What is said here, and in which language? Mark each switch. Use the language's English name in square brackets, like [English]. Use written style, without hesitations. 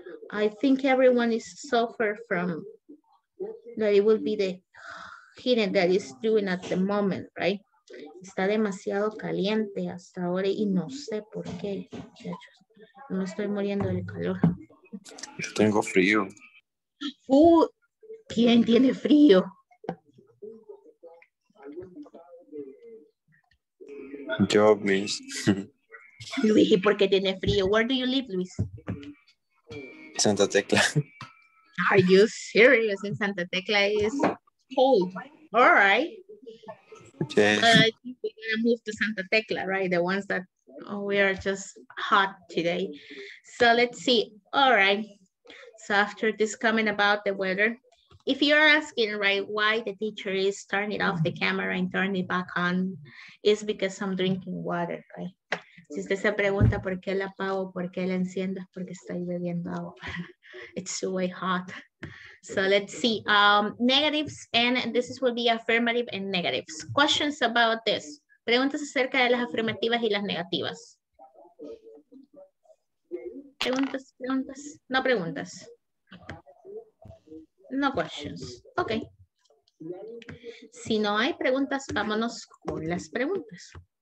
[English] I think everyone is suffer from that it will be the heat that is doing at the moment, right? [Spanish] Está demasiado caliente hasta ahora y no sé por qué. No estoy muriendo del calor. Yo tengo frío. ¿Quién tiene frío? Yo, Luis. Luis, ¿y por qué tiene frío? [English] Where do you live, [Spanish] Luis? Santa Tecla. [English] Are you serious? In Santa Tecla is cold. All right. Okay. I think we're going to move to Santa Tecla, right? The ones that we are just hot today. So let's see. All right. So after this comment about the weather, if you're asking, right, why the teacher is turning off the camera and turning it back on, it's because I'm drinking water, right? [Spanish] Si usted se pregunta por qué la apago, por qué la enciendo, es porque estoy bebiendo agua. [English] It's way hot. So let's see. Negatives, and this will be affirmative and negatives. Questions about this. [Spanish] Preguntas acerca de las afirmativas y las negativas. Preguntas, preguntas. No preguntas. [English] No questions. Ok. [Spanish] Si no hay preguntas, vámonos con las preguntas.